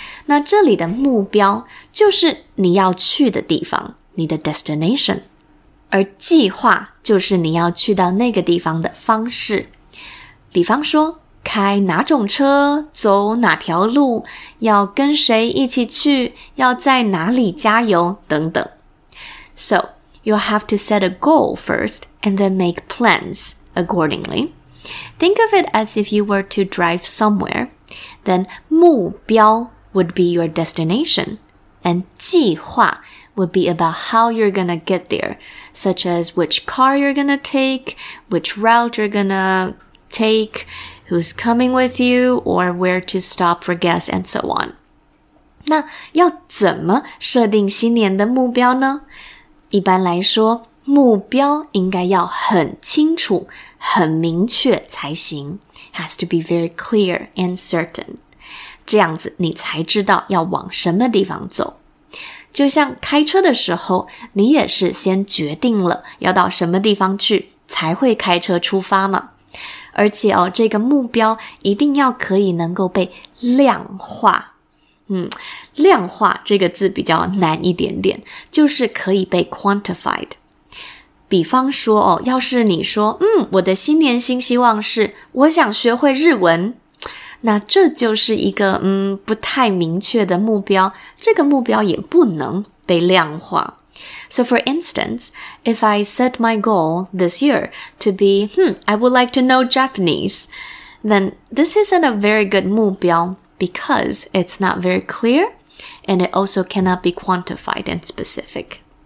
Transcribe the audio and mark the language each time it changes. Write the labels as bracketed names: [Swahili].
[Chinese] 那这里的目标就是你要去的地方，你的 destination。而计划就是你要去到那个地方的方式。比方说，开哪种车，走哪条路，要跟谁一起去，要在哪里加油，等等。 [English] So, you have to set a goal first and then make plans accordingly. Think of it as if you were to drive somewhere, then 目标 would be your destination, and 计划 would be about how you're gonna get there, such as which car you're gonna take, which route you're gonna take,who's coming with you, or where to stop for gas, and so on. [Chinese] 那要怎么设定新年的目标呢？一般来说，目标应该要很清楚，很明确才行。 [English] Has to be very clear and certain. [Chinese] 这样子你才知道要往什么地方走。就像开车的时候，你也是先决定了要到什么地方去，才会开车出发嘛。而且哦，这个目标一定要可以能够被量化。量化这个字比较难一点点，就是可以被 quantified。比方说哦，要是你说，我的新年新希望是我想学会日文，那这就是一个不太明确的目标，这个目标也不能被量化。 [English] So for instance, if I set my goal this year to be, I would like to know Japanese, then this isn't a very good 目标 because it's not very clear and it also cannot be quantified and specific.